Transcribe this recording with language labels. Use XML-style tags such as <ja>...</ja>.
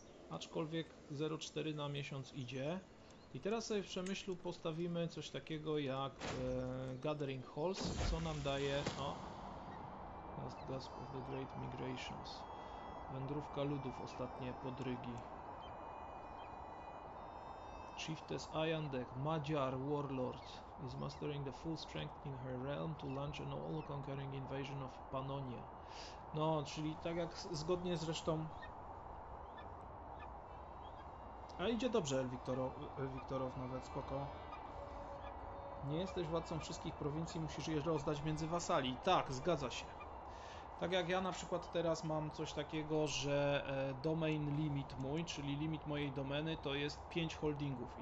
<pl>Aczkolwiek 0,4 na miesiąc idzie. I teraz sobie w Przemyślu postawimy coś takiego jak Gathering Halls, co nam daje... O!</pl> <en>Last Gasp of the Great Migrations.</en> <pl>Wędrówka ludów, ostatnie podrygi.</pl> <en>Chieftess Ayandek, Magyar Warlord, is mastering the full strength in her realm to launch an all-conquering invasion of Pannonia.</en> <pl>No, czyli tak jak zgodnie zresztą... A idzie dobrze, Wiktorow, nawet spoko. Nie jesteś władcą wszystkich prowincji, musisz je rozdać między wasali. Tak, zgadza się. Tak jak ja na przykład teraz mam coś takiego, że domain limit mój, czyli limit mojej domeny, to jest 5 holdingów.</pl>